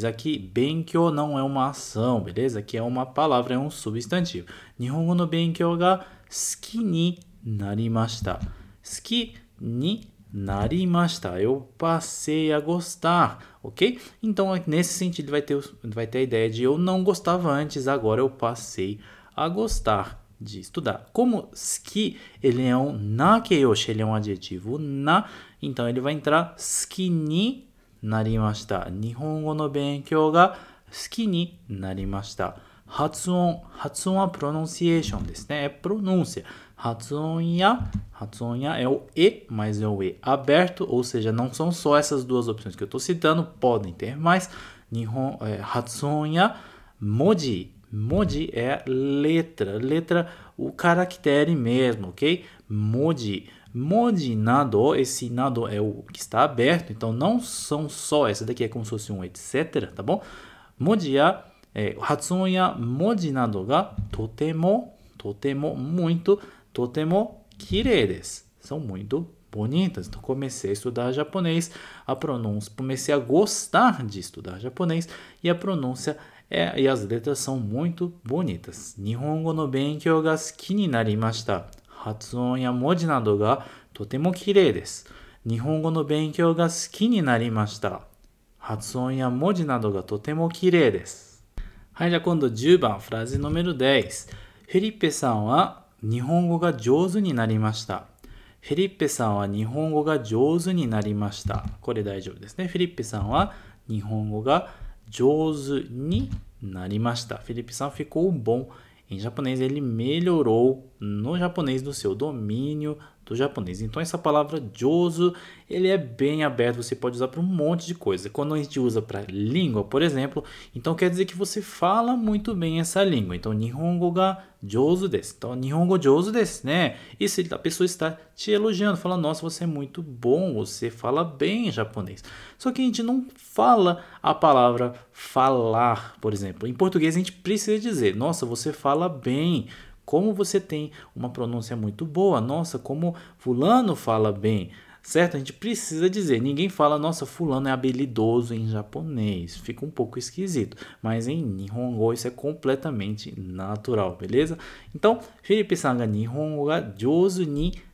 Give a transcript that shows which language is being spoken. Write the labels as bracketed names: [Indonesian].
[Portuguese] Aqui, 勉強 não é uma ação, beleza? Aqui é uma palavra, é um substantivo. [Japanese] 日本語の勉強が好きになりました。好きになりました。 [Portuguese] Eu passei a gostar, ok? Então, nesse sentido, vai ter a ideia de eu não gostava antes, agora eu passei a gostar de estudar. Como 好き, ele é um na que eu achei, ele é um adjetivo na, então ele vai entrar [Japanese] 好きになりました。日本語の勉強が好きになりました。発音、発音はプロノンシエーションですね。 [Portuguese] É pronúncia. [Japanese] 発音や [Portuguese] é o E, mas é o E aberto, ou seja, não são só essas duas opções que eu estou citando, podem ter mais. 日本、é, [Japanese] 発音や文字、文字 [Portuguese] é letra, letra, o caractere mesmo, ok? [Japanese] 文字、文字など, [Portuguese] esse など é o que está aberto, então não são só, essa daqui é como se fosse um etc, tá bom? [Japanese] 文字や É, 発音や文字などがとても、とても、 [Portuguese] muito、 [Japanese] とても綺麗です。 [Portuguese] São muito bonitas. Então, comecei a estudar japonês, a pronúncia, comecei a gostar de estudar japonês e a pronúncia é, e as letras são muito bonitas. [Japanese] 日本語の勉強が好きになりました。発音や文字などがとても綺麗です。日本語の勉強が好きになりました。発音や文字などがとても綺麗です。はい、じゃあ今度10番、フラーゼノメル10。フェリッペさんは日本語が上手になりました。フェリッペさんは日本語が上手になりました。これ大丈夫ですね。フェリッペさんは日本語が上手になりました。 [Portuguese] フェリッペさん ficou bom. Em japonês, ele melhorou no japonês do seu domínio do japonês. Então, essa palavra 上手, ele é bem aberto. Você pode usar para um monte de coisa. Quando a gente usa para língua, por exemplo, então quer dizer que você fala muito bem essa língua. Então, [Japanese] 日本語が上手です。Então, 日本語上手です、né? [Portuguese] E se a pessoa está te elogiando, fala, nossa, você é muito bom, você fala bem japonês. Só que a gente não fala a palavra falar, por exemplo. Em português, a gente precisa dizer, nossa, você fala bem. Como você tem uma pronúncia muito boa, nossa, como fulano fala bem, certo? A gente precisa dizer, ninguém fala, nossa, fulano é habilidoso em japonês, fica um pouco esquisito, mas em Nihongo isso é completamente natural, beleza? Então, Felipe Sanga, [Japanese] Nihongo ga jōzu ni